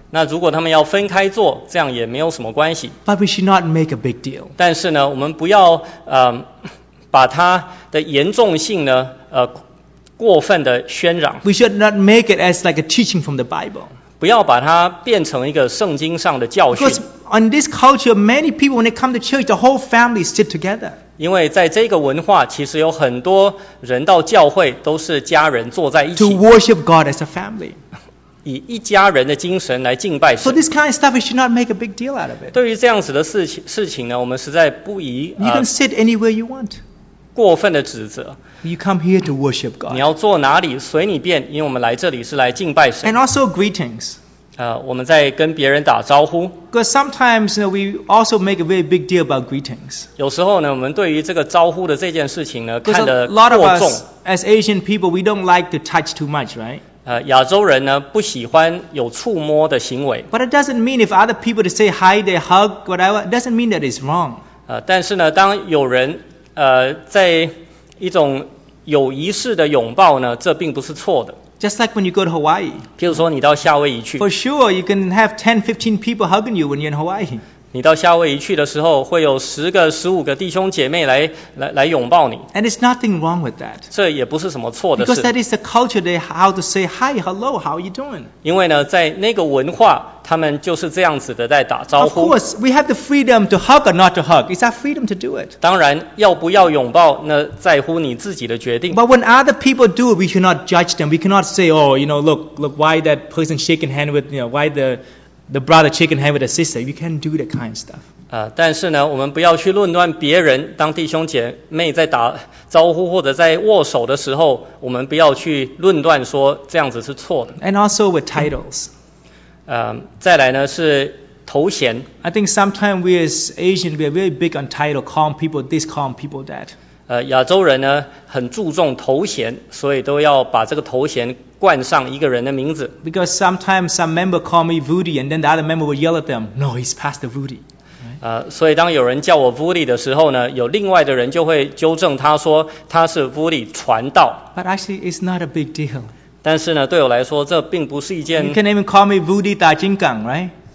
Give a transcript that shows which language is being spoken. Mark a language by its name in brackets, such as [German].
[Chinese] 那如果他们要分开坐, 这样也没有什么关系。 [English] But we should not make a big deal. [Chinese] 但是呢, 我们不要, 把它的严重性呢, 过分的喧嚷。 [English] We should not make it as like a teaching from the Bible. [Chinese] 不要把它变成一个圣经上的教训。 [English] Because in this culture, many people, when they come to church, the whole family sit together. [Chinese] 因为在这个文化, 其实有很多人到教会, 都是家人坐在一起。 [English] To worship God as a family. [Chinese] 以一家人的精神来敬拜神。 [English] So this kind of stuff, we should not make a big deal out of it. [Chinese] 对于这样子的事情呢, 我们实在不宜, [English] You can sit anywhere you want. [Chinese] 过分的指责。 [English] You come here to worship God. [Chinese] 你要坐哪里, 随你便, 因为我们来这里是来敬拜神。 [English] And also greetings. [Chinese] 我们在跟别人打招呼。 [English] Because sometimes, you know, we also make a very big deal about greetings. [Chinese] 有时候呢, 我们对于这个招呼的这件事情呢, 看得过重。 [English] Because a lot of us, as Asian people, we don't like to touch too much, right? [Chinese] 亚洲人呢, 不喜欢有触摸的行为。 [English] But it doesn't mean if other people to say hi, they hug, whatever, it doesn't mean that it's wrong. [Chinese] 但是呢, 当有人, 在 一种有仪式的拥抱呢, 这并不是错的。 [English] Just like when you go to Hawaii. [Chinese] 譬如说你到夏威夷去。 [English] For sure, you can have 10, 15 people hugging you when you're in Hawaii. [Chinese] 你到夏威夷去的时候, 会有10个, 15个弟兄姐妹来, 来拥抱你。 [English] And it's nothing wrong with that. [Chinese] 这也不是什么错的事。 [English] Because that is the culture, they how to say hi, hello, how are you doing? [Chinese] 因为呢, 在那个文化, 他们就是这样子的在打招呼。 [English] Of course, we have the freedom to hug or not to hug. It's our freedom to do it. [Chinese] 当然,要不要拥抱, 那在乎你自己的决定。 [English] But when other people do it, we cannot judge them. We cannot say, oh, you know, look, why that person shaking hand with, you know, why the brother shaking hand with the sister. You can't do that kind of stuff. [Chinese] 但是呢, 我们不要去论断别人, 当弟兄姐妹在打招呼或者在握手的时候, 我们不要去论断说这样子是错的。 [English] And also with titles. [Chinese] 再来呢, 是头衔。 [English] I think sometimes we as Asian, we are very big on title, calling people this, calling people that. [Chinese] 亚洲人呢, 很注重头衔, 所以都要把这个头衔冠上一个人的名字。 [English] Because sometimes some member call me Voody, and then the other member will yell at them, no, he's Pastor Voody. Right? [Chinese] 所以当有人叫我 Voody的时候呢, 有另外的人就会纠正他说, 他是Voody传道。 [English] But actually, it's not a big deal. [Chinese] 但是呢, 对我来说, 这并不是一件, [English] You can even call me Voody [Chinese] 打金港, [English] right?